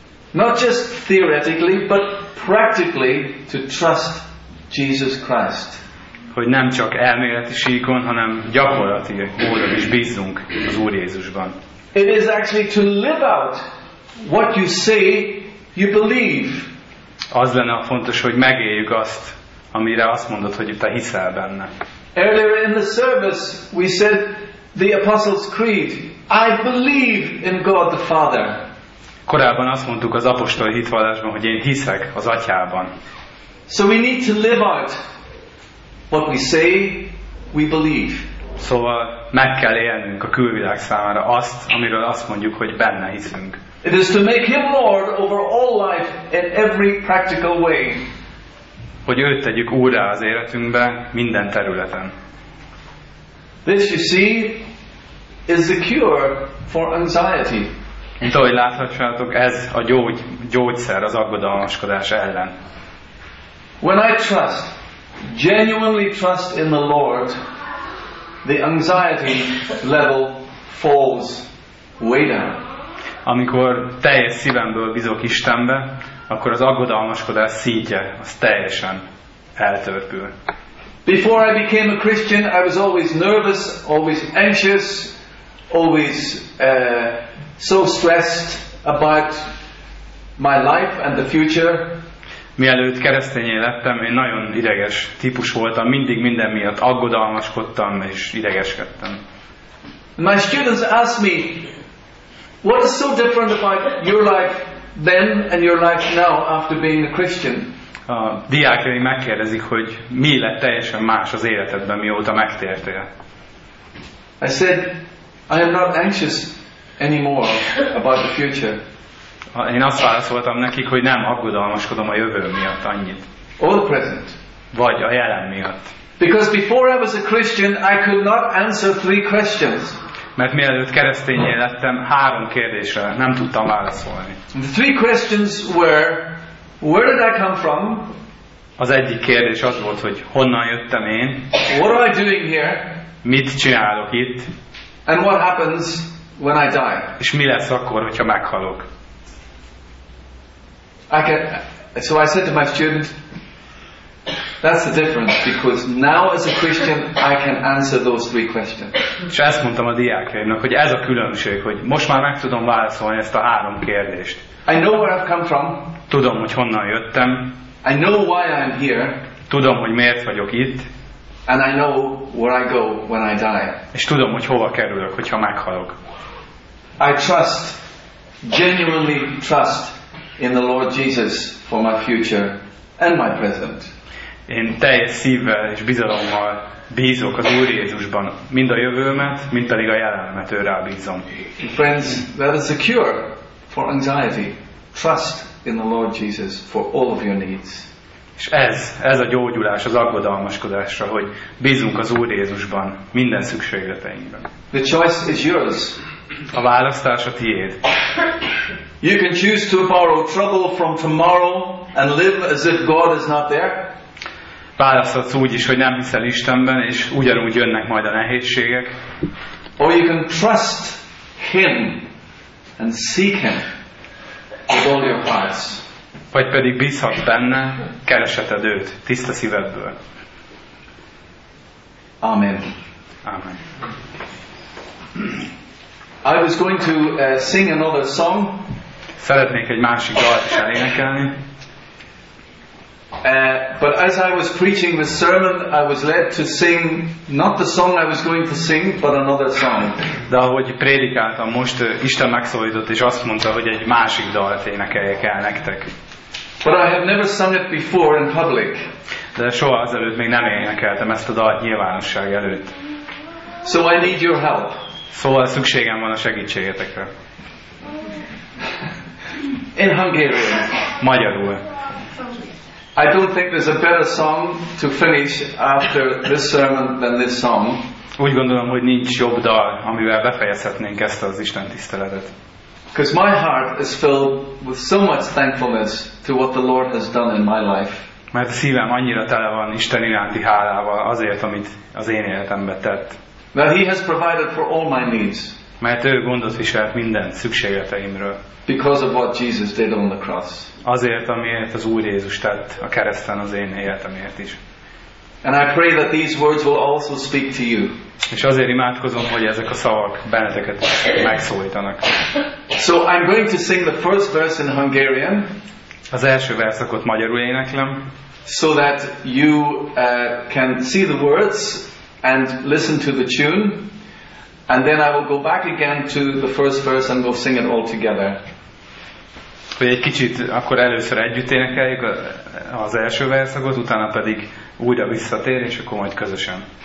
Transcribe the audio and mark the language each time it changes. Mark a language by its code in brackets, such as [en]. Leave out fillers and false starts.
[en] Not just theoretically, but practically to trust Jesus Christ. [hu] Hogy nem csak elméleti síkon, hanem gyakorlati módon is bízzunk az Úr Jézusban. [en] It is actually to live out what you say you believe. [hu] Az lenne a fontos, hogy megéljük azt, amire azt mondod, hogy te hiszel benne. [en] Earlier in the service we said the Apostles' Creed. I believe in God the Father. [hu] Korábban azt mondtuk az apostoli hitvallásban, hogy én hiszek az Atyában. [en] So we need to live out what we say we believe. [hu] Szóval meg kell élnünk a külvilág számára azt, amiről azt mondjuk, hogy benne hiszünk. [en] It is to make him Lord over all life in every practical way. [hu] Hogy őt tegyük úrrá az életünkbe minden területen. [en] This you see is the cure for anxiety. [hu] Mint ahogy láthatjátok, ez a gyógyszer az aggodalmaskodás ellen. [en] When I trust, genuinely trust in the Lord, the anxiety level falls way down. [hu] Amikor teljes szívemből bízok Istenbe, akkor az aggodalmaskodás szintje az teljesen eltörpül. [en] Before I became a Christian, I was always nervous, always anxious, always so stressed about my life and the future. [hu] Mielőtt keresztényé lettem, én nagyon ideges típus voltam, mindig minden miatt aggodalmaskodtam és idegeskedtem. [en] My students ask me, what is so different about your life then and your life now after being a Christian? [hu] A diákjaim megkérdezik, hogy mi lett teljesen más az életedben, mióta megtértél. [en] I said, I am not anxious anymore about the future. [hu] Én azt válaszoltam nekik, hogy nem aggodalmaskodom a jövő miatt annyit. [en] Or the present. [hu] Vagy a jelen miatt. [en] Because before I was a Christian, I could not answer three questions. [hu] Mert mielőtt keresztényé lettem, három kérdésre nem tudtam válaszolni. [en] The three questions were, where did I come from? [hu] Az egyik kérdés az volt, hogy honnan jöttem én? [en] What am I doing here? [hu] Mit csinálok itt? [en] And what happens when I die? [hu] És mi lesz akkor, hogyha meghalok? [en] I can, so I said to my student, that's the difference, because now as a Christian I can answer those three questions. [hu] És ezt mondtam a diákjaimnak, hogy ez a különbség, hogy most már meg tudom válaszolni ezt a három kérdést. [en] I know where I've come from. [hu] Tudom, hogy honnan jöttem. [en] I know why I'm here. [hu] Tudom, hogy miért vagyok itt. [en] And I know where I go when I die. [hu] És tudom, hogy hova kerülök, hogyha meghalok. [en] I trust, genuinely trust in the Lord Jesus for my future and my present. [hu] Én teljes szívvel és bizalommal bízok az Úr Jézusban, mind a jövőmet, mind pedig a jelenemet őre bízom. [en] Friends, that is the cure for anxiety. Trust in the Lord Jesus for all of your needs. [hu] És ez a gyógyulás az aggodalmaskodásra, hogy bízunk az Úr Jézusban minden szükségleteinkben. [en] The choice is yours. [hu] A választás a tiéd. [en] You can choose to borrow trouble from tomorrow and live as if God is not there. [hu] Választhatsz úgy is, hogy nem hiszel Istenben, és ugyanúgy jönnek majd a nehézségek. [en] Or you can trust him and seek him with all your hearts. [hu] Vagy pedig bízhat benne, kereseted őt, tiszta szívedből. [en] Amen. [hu] Amen. [en] I was going to sing another song. [hu] Szeretnék egy másik dalt is elénekelni. [en] But as I was preaching the sermon, I was led to sing not the song I was going to sing, but another song. [hu] De ahogy prédikáltam most, Isten megszólított és azt mondta, hogy egy másik dalt énekeljek el nektek. [en] But I have never sung it before in public. [hu] De soha azelőtt még nem énekeltem ezt a dalt nyilvánosság előtt. [en] So I need your help. [hu] Szóval szükségem van a segítségetekre. [en] In Hungarian. [hu] Magyarul. [en] I don't think there's a better song to finish after this sermon than this song. [hu] Úgy gondolom, hogy nincs jobb dal, amivel befejezhetnénk ezt az Isten tiszteletet. [en] Because my heart is filled with so much thankfulness to what the Lord has done in my life. [hu] Mert a szívem annyira tele van Isten iránti hálával azért, amit az én életembe tett. [en] That he has provided for all my needs. [hu] Mert ő gondot viselt minden szükségleteimről. [en] Because of what Jesus did on the cross. [hu] Azért, amiért az Úr Jézus tett a kereszten az én életemért is. [en] And I pray that these words will also speak to you. [hu] És azért imádkozom, hogy ezek a szavak benneteket megszólítanak. [en] So I'm going to sing the first verse in Hungarian. [hu] Az első verszakot magyarul éneklem. [en] So that you can see the words and listen to the tune. And then I will go back again to the first verse and we'll sing it all together. [hu] Hogy egy kicsit akkor először együtt énekeljük az első verszakot, utána pedig újra visszatér, és akkor majd közösen.